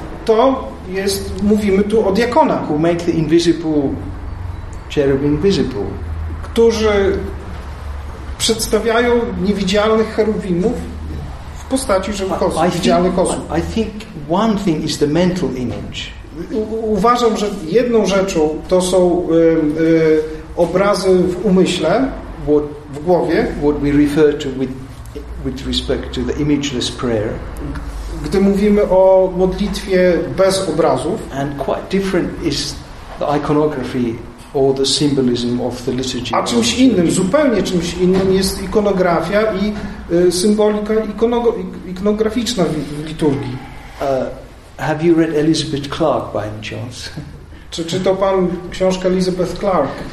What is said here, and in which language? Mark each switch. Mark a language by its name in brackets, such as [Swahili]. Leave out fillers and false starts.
[Polish] To jest, mówimy tu o diakonach, [English] who make the invisible cherubim visible. [Polish] Którzy przedstawiają niewidzialnych cherubimów w postaci żywych widzialnych osób. [English] I think one thing is the mental image. [Polish] Uważam, że jedną rzeczą to są obrazy w umyśle, w głowie. [English] What we refer to with respect to the imageless prayer. [Polish] Gdy mówimy o modlitwie bez obrazów. [English] And quite different is the iconography or the symbolism of the liturgy. [Polish] A czymś innym, zupełnie czymś innym jest ikonografia i symbolika ikonograficzna w liturgii. [English] Have you read Elizabeth Clark by any chance? [Polish] Czy czytał pan książkę Elizabeth Clark?